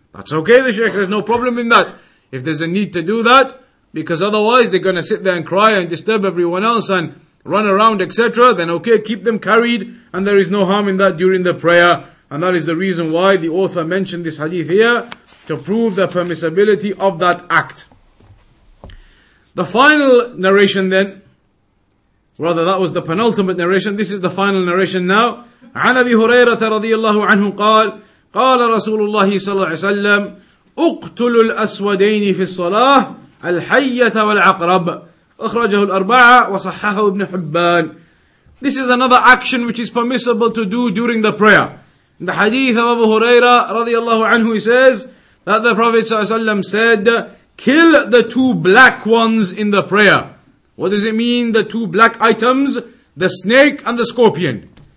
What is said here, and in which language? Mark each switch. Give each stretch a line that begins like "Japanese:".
English: That's okay, the Shaykh, there's no problem in that. If there's a need to do that, because otherwise they're going to sit there and cry and disturb everyone else and run around, etc., then okay, keep them carried, and there is no harm in that during the prayer. And that is the reason why the author mentioned this hadith here, to prove the permissibility of that act. The final narration then, rather, that was the penultimate narration. This is the final narration now.
Arabic: عن أبي هريرة رضي الله عنه قال قال رسول الله صلى الله عليه وسلم اقتلوا الأسودين في الصلاة الحية والعقرب أخرجه الأربعة وصححه ابن حبان.
English: This is another action which is permissible to do during the prayer. In the hadith of Abu Huraira
Arabic: رضي الله عنه,
English: he says that the Prophet
Arabic: صلى الله عليه وسلم
English: said, kill the two black ones in the prayer. What does it mean, the two black items? The snake and the scorpion.